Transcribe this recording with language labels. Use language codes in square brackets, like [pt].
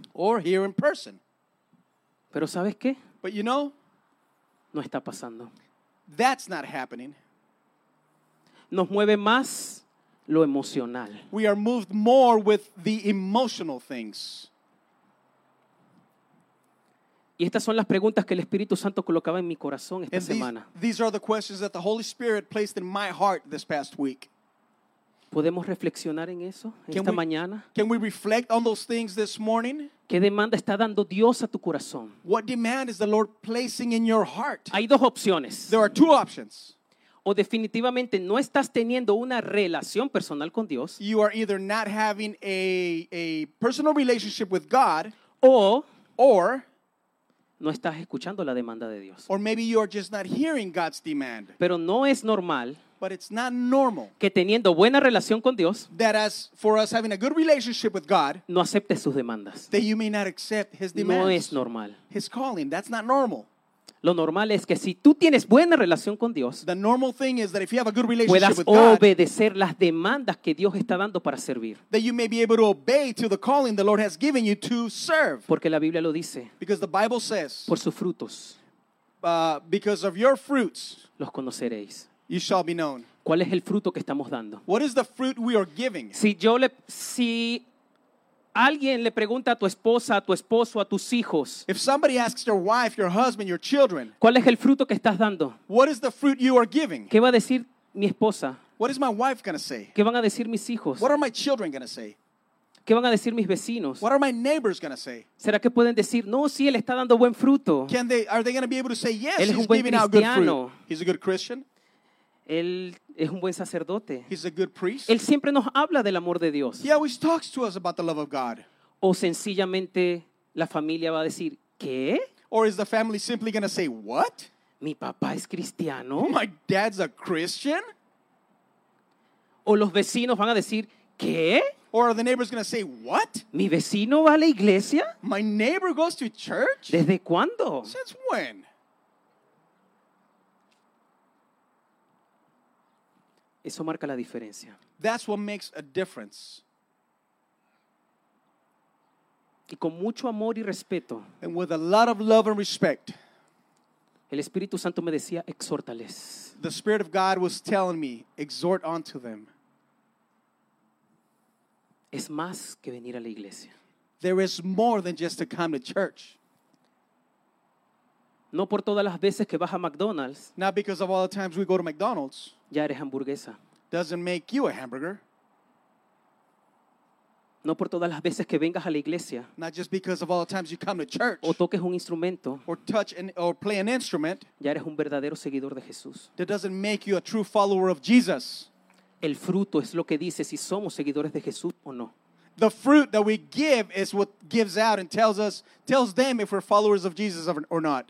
[en] Or here in person. [es] Pero ¿sabes qué? [en] But you know. [es] No está pasando. [en] That's not happening. [es] Nos mueve más lo emocional. [en] We are moved more with the emotional things. [es] Y estas son las preguntas que el Espíritu Santo colocaba en mi corazón esta semana. [en] These are the questions that the Holy Spirit placed in my heart this past week. [es] ¿Podemos reflexionar en eso esta mañana? [en] Can we reflect on those things this morning? [es] ¿Qué demanda está dando Dios a tu corazón? [en] What demand is the Lord placing in your heart? [es] Hay dos opciones. [en] There are two options. [es] O definitivamente no estás teniendo una relación personal con Dios. [en] You are either not having a personal relationship with God. Or [es] no estás escuchando la demanda de Dios. [en] Or maybe you're just not hearing God's demand. [es] Pero no es normal. [en] But it's not normal. [es] Que teniendo buena relación con Dios. [en] That as for us having a good relationship with God. [es] No aceptes sus demandas. [en] That you may not accept his demands. [es] No es normal. [en] His calling. That's not normal. [es] Lo normal es que si tú tienes buena relación con Dios. [en] The normal thing is that if you have a good relationship with God. [es] Puedas obedecer las demandas que Dios está dando para servir. [en] That you may be able to obey to the calling the Lord has given you to serve. [es] Porque la Biblia lo dice. [en] Because the Bible says. [es] Por sus frutos. [en] Because of your fruits. [es] Los conoceréis. [en] You shall be known. [es] ¿Cuál es el fruto que estamos dando? [en] What is the fruit we are giving? [es] Si alguien le pregunta a tu esposa, a tu esposo, a tus hijos. [en] If somebody asks your wife, your husband, your children. [es] ¿Cuál es el fruto que estás dando? [en] What is the fruit you are giving? [es] ¿Qué va a decir mi esposa? [en] What is my wife going to say? [es] ¿Qué van a decir mis hijos? [en] What are my children going to say? [es] ¿Qué van a decir mis vecinos? [en] What are my neighbors going to say? [es] ¿Será que pueden decir, no, sí, él está dando buen fruto? [en] Can they, are they going to be able to say, yes, he's giving out good fruit? He's a good Christian. [es] Él es un buen sacerdote. [en] He's a good priest. [es] Él siempre nos habla del amor de Dios. [en] He always talks to us about the love of God. [es] O sencillamente la familia va a decir, ¿qué? [en] Or is the family simply going to say, what? [es] ¿Mi papá es cristiano? [en] My dad's a Christian? [es] O los vecinos van a decir, ¿qué? [en] Or are the neighbors going to say, what? [es] ¿Mi vecino va a la iglesia? [en] My neighbor goes to church? [es] ¿Desde cuándo? [en] Since when? [es] Eso marca la diferencia. [en] That's what makes a difference. [es] Y con mucho amor y respeto. [en] And with a lot of love and respect. [es] El Espíritu Santo me decía, exhórtales. [en] The Spirit of God was telling me, exhort unto them. [es] Es más que venir a la iglesia. [en] There is more than just to come to church. [es] No por todas las veces que vas a McDonald's. [en] Not because of all the times we go to McDonald's. [es] Ya eres hamburguesa. [en] Doesn't make you a hamburger. [es] No por todas las veces que vengas a la iglesia. [en] Not just because of all the times you come to church. [es] O toques un instrumento. [en] Or touch an, or play an instrument. [es] Ya eres un verdadero seguidor de Jesús. [en] That doesn't make you a true follower of Jesus. [es] El fruto es lo que dice si somos seguidores de Jesús o no. [en] The fruit that we give is what gives out and tells us, tells them if we're followers of Jesus or not.